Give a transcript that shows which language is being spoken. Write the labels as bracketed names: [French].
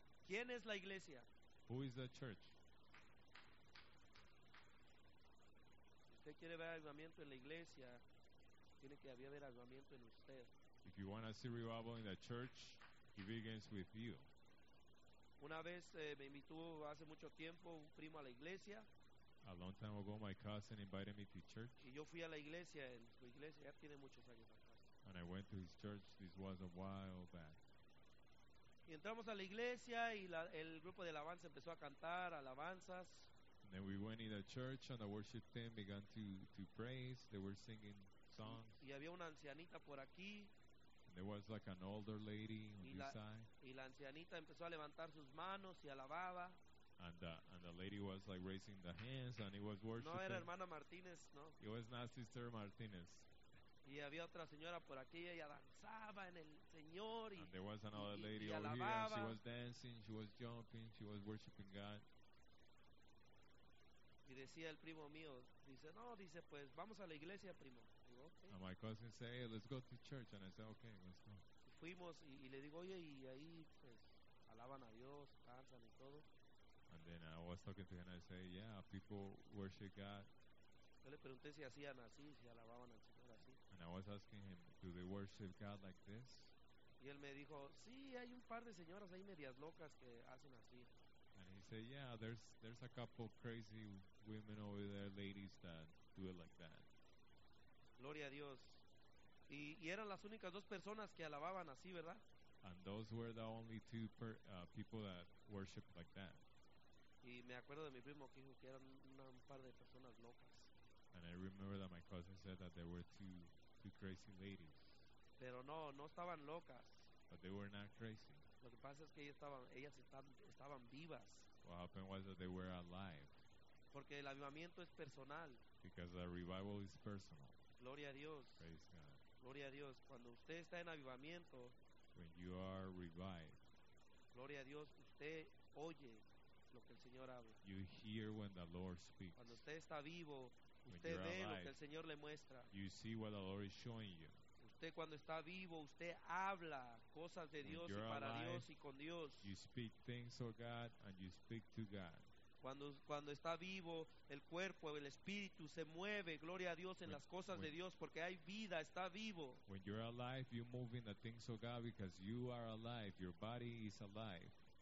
[Spanish] ¿Quién es la iglesia? [English] Who is the church? [Spanish] ¿Usted quiere ver avivamiento en la iglesia? Tiene que haber avivamiento en usted. [English] If you want to see revival in the church, it begins with you. [Spanish] Una vez me invitó hace mucho tiempo un primo a la iglesia. [English] A long time ago, my cousin invited me to church. [Spanish] Y yo fui a la iglesia, en su iglesia, ya tiene muchos años atrás. [English] And I went to his church. This was a while back. [Spanish] Y entramos a la iglesia y la, el grupo de alabanza empezó a cantar alabanzas. [English] And then we went in the church and the worship team began to praise. They were singing songs. [Spanish] Y había una ancianita por aquí. [English] And there was like an older lady on this side. [Spanish] Y la ancianita empezó a levantar sus manos y alababa. [English] And the lady was like raising the hands and he was worshiping. [Spanish] No era hermana Martínez, no. [English] It was not Sister Martínez. [Spanish] Y había otra señora por aquí y ella danzaba en el Señor y [English] there was another lady [Spanish] y [English] over here and she was dancing, she was jumping, she was worshiping God. [Spanish] Y decía el primo mío, dice, no, dice, pues vamos a la iglesia, primo. Digo, okay. [English] And my cousin said, hey, let's go to church. And I said, okay, let's go. [Spanish] Y fuimos y le digo, oye, y ahí pues alaban a Dios, cantan y todo. [English] And then I was talking to him and I said, yeah, people worship God. [Spanish] Yo le pregunté si hacían así, si alababan al Señor así. [English] And I was asking him, do they worship God like this? [Spanish] Y él me dijo, sí, hay un par de señoras ahí medias locas que hacen así. [English] And he said, yeah, there's a couple crazy women over there, ladies that do it like that. [Spanish] Gloria a Dios. Y eran las únicas dos personas que alababan así, ¿verdad? [English] And those were the only two people that worshiped like that. [Spanish] Y me acuerdo de mi primo que dijo que eran un par de personas locas. [English] And I remember that my cousin said that there were two crazy ladies. [Spanish] Pero no, no estaban locas. [English] But they were not crazy. [Spanish] Lo que pasa es que ellas estaban vivas. [English] What happened was that they were alive. [Spanish] Porque el avivamiento es personal. [English] Because the revival is personal. [Spanish] Gloria a Dios. [English] Praise God. [Spanish] Gloria a Dios. Cuando usted está en avivamiento, [English] when you are revived, [Spanish] gloria a Dios, usted oye lo que el Señor habla. [English] You hear when the Lord speaks. [Spanish] Cuando usted está vivo, usted ve [English] alive, [Spanish] lo que el Señor le muestra. [English] You see what the Lord is showing you. [Spanish] Usted cuando está vivo, usted habla cosas de Dios y para [English] alive, [Spanish] Dios y con Dios. [English] You speak things for God and you speak to God. [Spanish] Cuando está vivo, el cuerpo, el espíritu se mueve, gloria a Dios, en las cosas de Dios, porque hay vida, está vivo. [English] When you're alive, you move in the things of God because you are alive, your body is alive.